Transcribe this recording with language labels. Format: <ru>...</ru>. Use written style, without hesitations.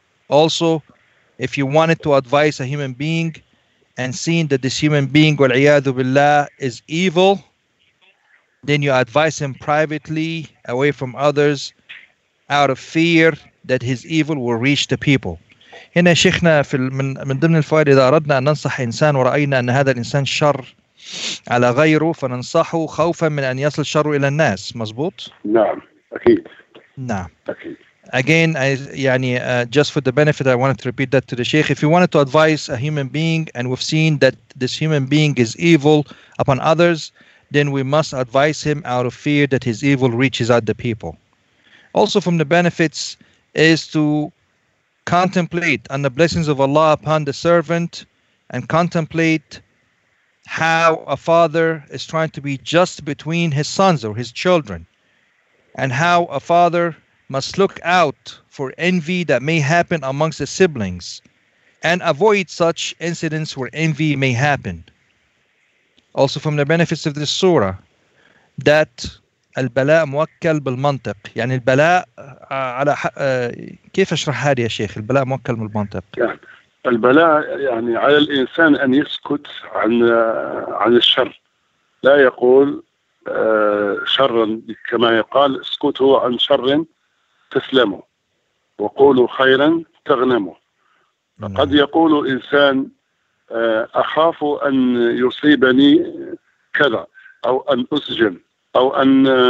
<en>Also, if you wanted to advise a human being and seeing that this human being, wal'iyadu billah, is evil, Then you advise him privately, away from others, out of fear that his evil will reach the people.</en> <ar>هنا شيخنا في من ضمن الفوائد إذا أردنا أن ننصح إنسان ورأينا أن هذا الإنسان شر على غيره فننصحه خوفا من أن يصل الشر إلى الناس مزبوط؟ نعم أكيد نعم أكيد</ar> <en>Again, just for the benefit, I wanted to repeat that to the Sheikh. If you wanted to advise a human being, and we've seen that this human being is evil upon others, then we must advise him out of fear that his evil reaches out the people. Also from the benefits is to contemplate on the blessings of Allah upon the servant and contemplate how a father is trying to be just between his sons or his children and how a father must look out for envy that may happen amongst the siblings and avoid such incidents where envy may happen. Also from the benefits of this surah, that</en> <ar>البلاء موكل بالمنطق يعني البلاء على كيف اشرح هذه يا شيخ البلاء موكل بالمنطق البلاء يعني على الإنسان أن يسكت عن الشر لا يقول شرا كما يقال اسكته عن شر تسلموا وقولوا خيرا تغنموا قد يقول إنسان أخاف أن يصيبني كذا أو أن أسجن أو أن</ar>